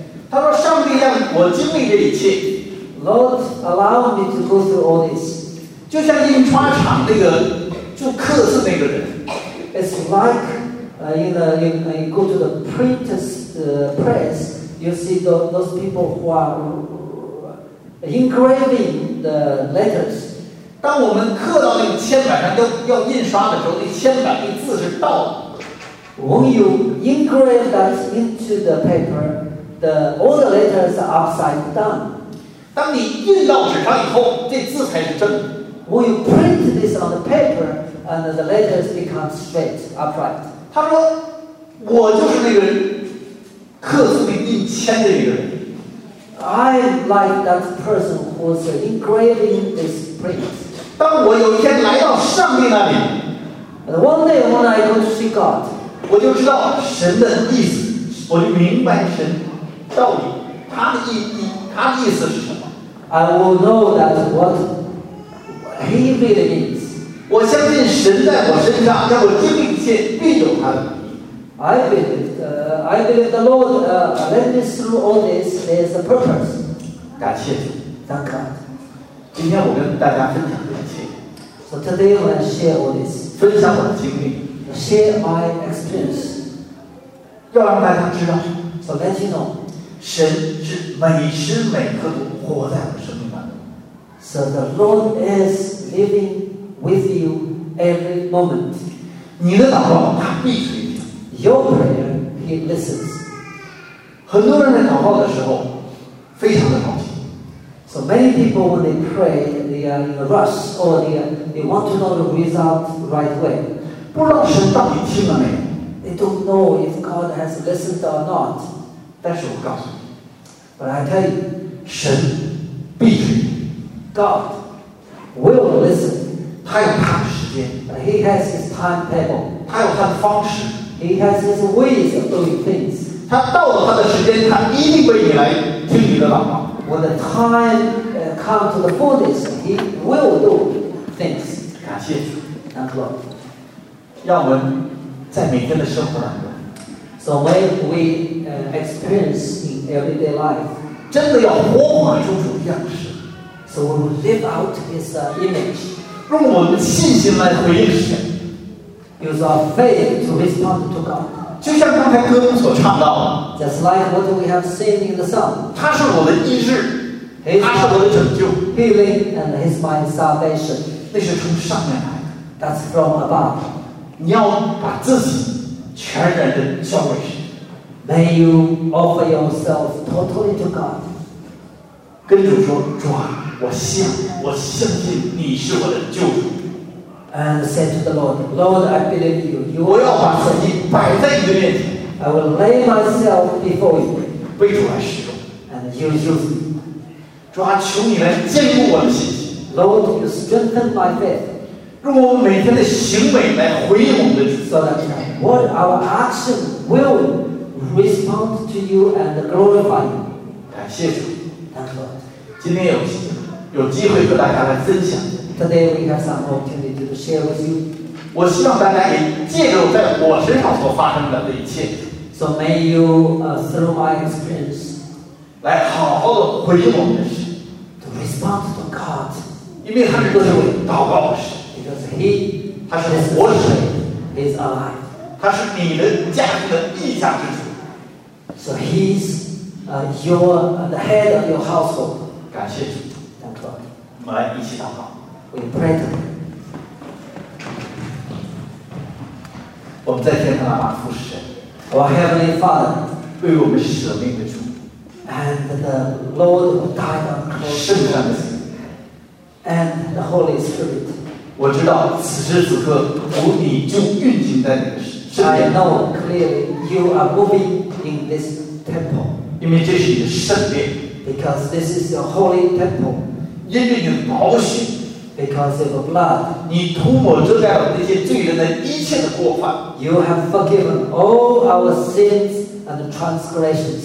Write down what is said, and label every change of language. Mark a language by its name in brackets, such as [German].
[Chinese] 他说：“上帝让我经历这一切。” [English] Lord, allow me to go through all this. [Chinese] 就像印刷厂那个做刻字那个人。 [English] It's like you go to the printer's press, you see those people who are engraving the letters. [Chinese] 当我们刻到那个铅板上要印刷的时候，那铅板那字是倒的。 [English] When you engrave that into the paper, all the letters are upside down. [Chinese] 当你印到纸上以后，这字才是真。 [English] When you print this on the paper. And the letters become straight, upright. [Chinese] 他说，我就是那个刻字给印签的人。 [English] I am like that person who's engraving this print. [Chinese] 当我有一天来到上帝那里 [English] one day when I go to see God, [Chinese] 我就知道神的意思，我就明白神道理，他的意思是什么。 [English] I will know that what he really means. [Chinese] 我相信神在我身上让我经历一切，必有他的。 [English] I believe the Lord let me through all this. There's a purpose. [Chinese] 感谢主 [English] ，Thank God. [Chinese] 今天我跟大家分享这些。 [English] So today I want to share all this. [Chinese] 分享我的经历。 [English] Share my experience. [Chinese] 要让大家知道。 [English] So let you know. [Chinese] 神是每时每刻都活在我生命当中。 [English] So the Lord is living. With you every moment. [Chinese] 你的祷告他必垂听。 [English] Your prayer, he listens. [Chinese] 很多人在祷告的时候非常的着急。 [English] So many people when they pray, they are in a rush or they want to know the result right away. [Chinese] 不知道神到底听了没有。 [English] They don't know if God has listened or not. [Chinese] 但是我告诉你。 [English] But I tell you, [Chinese] 神必垂听。 [English] God will listen. [Chinese] 他有他的时间 [English] He has his timetable. [Chinese] 他有他的方式 [English] He has his ways of doing things. [Chinese] 他到了他的时间，他一定为你来听你的祷告。 [English] When the time comes to the fullness, he will do things. [Chinese] 感谢主 [English] Thank God. [Chinese] 让我们在每天的生活当中 [English] So when we experience in everyday life, [Chinese] 真的要活化出主的样式 [English] So we will live out his image. [Chinese] 用我们的信心来回应神 [English] Use our faith to respond to God [Chinese] 就像刚才歌中所唱到的 [English] Just like what we have seen in the song [Chinese] 他是我的医治 [English] He's [Chinese] 他是我的拯救 [English] Healing and his mind salvation [Chinese] 那是从上面来的 [English] That's from above [Chinese] 你要把自己全然的交给神 [English] May you offer yourself totally to God [Chinese] 跟主说主啊我相信你是我的救主。 [English] And said to the Lord, Lord, I believe you. [Chinese] 我要把自己摆在你的面前。 [English] I will lay myself before you. [Chinese] 为主来使用。 [English] And use me. [Chinese] 主啊，求你来坚固我的信心。 [English] Lord, you strengthen my faith. [Chinese] 用我们每天的行为来回应我们的主。 [English] So that what our action will respond to you and glorify you. [Chinese] 感谢主。 [English] Thank God. [Chinese] 今天有机会和大家来分享。 [English] Today we have some opportunity to share with you. [Chinese] 我希望大家也借着在我身上所发生的这一切。 [English] So may you through my experience [Chinese] 来好好的回应我们的神。 [English] To respond to God. [Chinese] 因为他是为祷告的神。 [English] Because he [Chinese] 他是活的神。 [English] He's alive. [Chinese] 他是你的家庭的意象之主。 [English] So he's your the head of your household. [Chinese] 感谢主。我们来一起祷告。 [English] We pray to him. [Chinese] 我们在天上的阿爸父是神。 [English] Our heavenly Father, [Chinese] 为我们舍命的主。 [English] And the Lord who died on the cross. [Chinese] 圣善的主。 [English] And the Holy Spirit. [Chinese] 我知道此时此刻，主你就运行在你的 [English] I know clearly you are moving in this temple. [Chinese] 因为这是你的圣殿。 [English] Because this is your holy temple. [Chinese] 因为你的宝血。 [English] Because of the blood. [Chinese] 你涂抹遮盖了那些罪人的一切的过犯。 [English] You have forgiven all our sins and transgressions.